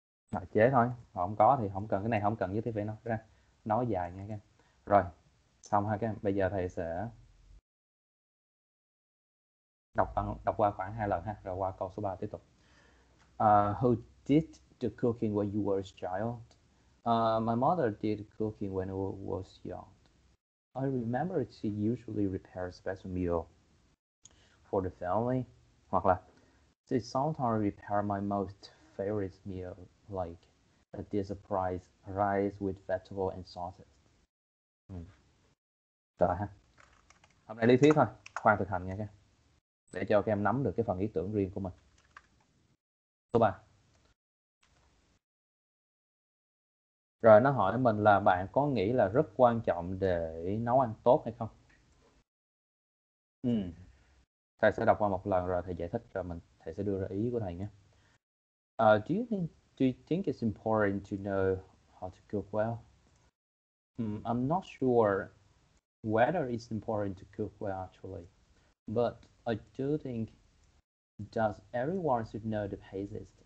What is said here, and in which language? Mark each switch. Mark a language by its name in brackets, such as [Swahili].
[Vietnamese] Rồi, chế thôi, không có thì không cần, cái này không cần nhất thiết phải nói ra. Nói dài nha các em. Rồi, xong ha các em. Bây giờ thầy sẽ đọc qua khoảng 2 lần ha, rồi qua câu số 3 tiếp tục. [English] Who did the cooking when you were a child? My mother did cooking when I was young. I remember she usually prepared special meal for the family. [Vietnamese] Hoặc là [English] she sometimes prepared my most favorite meal, like a dish of rice with vegetable and sauces. [Vietnamese] Rồi ha. Hôm nay lý thuyết thôi, khoan thực hành nha các em. Để cho các em nắm được cái phần ý tưởng riêng của mình. Số 3. Rồi nó hỏi mình là bạn có nghĩ là rất quan trọng để nấu ăn tốt hay không? Ừ. Thầy sẽ đọc qua một lần rồi thầy giải thích rồi mình thầy sẽ đưa ra ý của thầy nhé. [English] Do you think it's important to know how to cook well? I'm not sure whether it's important to cook well actually, but I do think that everyone should know the basics.